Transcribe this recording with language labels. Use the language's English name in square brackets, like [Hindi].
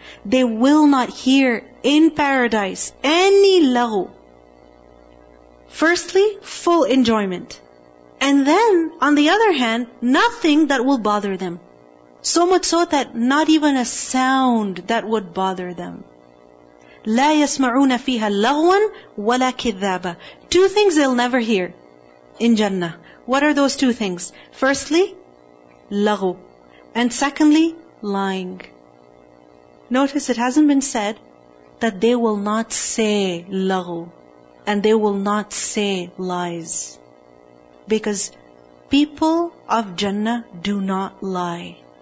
[English] They will not hear in paradise any لغو. Firstly, full enjoyment. And then, on the other hand, nothing that will bother them. So much so that not even a sound that would bother them. [Arabic] لا يسمعون فيها لغوا ولا كذابا. [English] Two things they'll never hear in Jannah. What are those two things? Firstly, لغو. And secondly, lying. Notice it hasn't been said that they will not say لغو. And they will not say lies. Because people of Jannah do not lie.